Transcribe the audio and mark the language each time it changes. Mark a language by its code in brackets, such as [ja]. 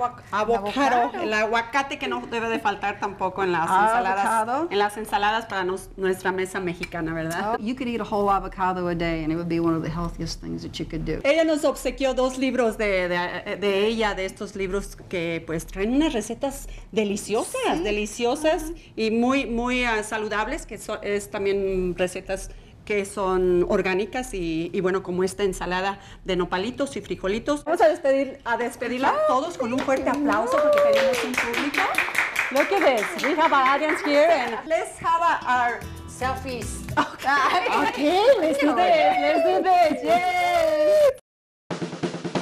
[es] avocado, el aguacate que no debe de faltar tampoco en las ensaladas para nuestra mesa mexicana, ¿verdad? Oh. [en] You could eat a whole avocado a day and it would be one of the healthiest things that you could do. [es] Ella nos obsequió dos libros de ella, de estos libros que pues traen unas recetas deliciosas, deliciosas y muy muy saludables, que es también recetas que son orgánicas y bueno, como esta ensalada de nopalitos y frijolitos. Vamos a despedirla a todos con un fuerte aplauso porque tenemos un público. [en] Look at this, we have an audience here and let's have our selfies. Okay, let's do this, yes.